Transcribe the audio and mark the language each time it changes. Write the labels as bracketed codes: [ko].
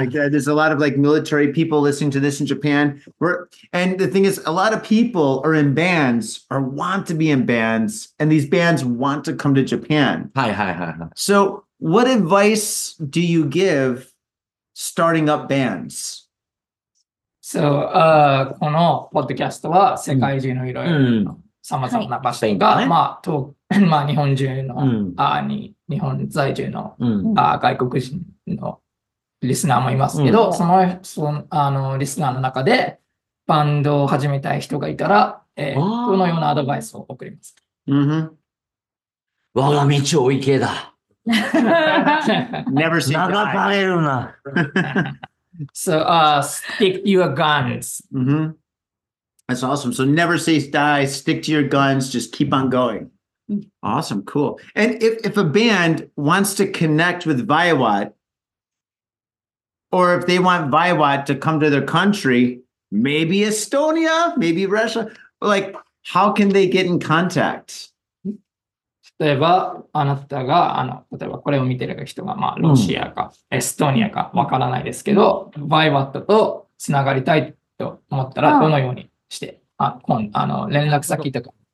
[en] Like there's a lot of like military people listening to this in Japan. And the thing is, a lot of people are in bands or want to be in bands, and these bands want to come to Japan. Hi, hi, hi, hi. So what advice do you give starting up bands? [ja] So この podcast は世界中のいろいろさまざまな場所が、はい、まあ、と、まあ、日本中の、うん、あに日本在住の、うん、あ外国人のリスナーもいますけど、うん、そのリスナーの中でバンドを始めたい人がいたら、このようなアドバイスを送ります。うん、我が道を行けだ。 [en] Never seen that. [ja] 流されるな。 [en] So, stick to your guns. Mm-hmm. That's awesome. So never say die, stick to your guns, just keep on going. Awesome, cool. And if a band wants to connect with VAIWATT, or if they want VAIWATT to come to their country, maybe Estonia, maybe Russia, like, how can they get in contact? [ja] 例えばあなたが例えばこれを見てる人が、まあ、ロシアか、エストニアかわからないですけど、VAIWATT とつながりたいと思ったら、どのようにして連絡先とか。